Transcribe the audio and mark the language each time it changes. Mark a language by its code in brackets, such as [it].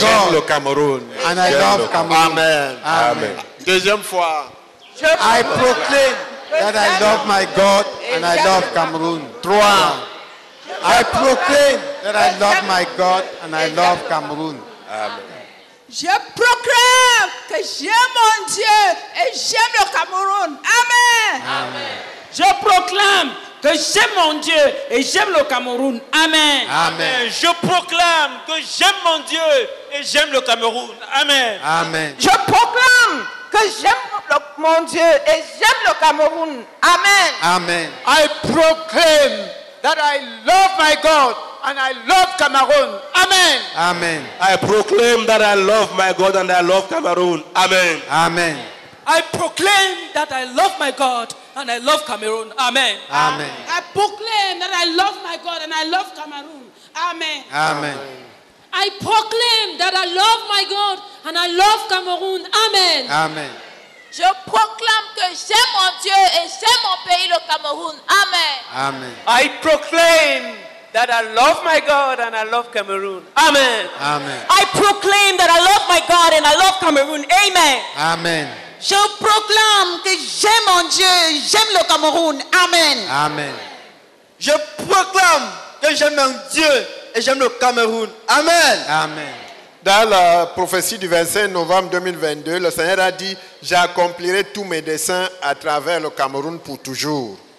[en] God. [fr] J'aime le Cameroun. [en] And I love Cameroon. Amen. Amen. [fr] Deuxième fois. [en] Je I proclaim. That I love my God and I love Cameroon. [fr] Trois. [en] I proclaim that I love my God and I love Cameroon. Amen. [fr] Je proclame que j'aime mon Dieu et j'aime le Cameroun. Amen. Amen. Je proclame que j'aime mon Dieu et j'aime le Cameroun. Amen. Amen. Je proclame que j'aime mon Dieu et j'aime le Cameroun. Amen. Amen. Je proclame que j'aime mon Dieu et j'aime le Cameroun. Amen. Amen. [en] I proclaim that I love my God and I love Cameroon. Amen. Amen. I proclaim that I love my God and I love Cameroon. Amen. Amen. I proclaim that I love my God and I love Cameroon. Amen. Amen. I proclaim that I love my God and I love Cameroon. Amen. Amen. I proclaim that I love my God and I love Cameroon. Amen. Amen. [fr] Je proclame que j'aime mon Dieu et j'aime mon pays, le Cameroun. Amen. Amen. [en] I proclaim that I love my God and I love Cameroon. Amen. Amen. I proclaim that I love my God and I love Cameroon. Amen. Amen. [fr] Je proclame que j'aime mon Dieu, j'aime le Cameroun. Amen. Amen. Je proclame que j'aime un Dieu et j'aime le Cameroun. Amen. Amen. Dans la prophétie du 25 novembre 2022, le Seigneur a dit, j'accomplirai tous mes desseins à travers le Cameroun pour toujours.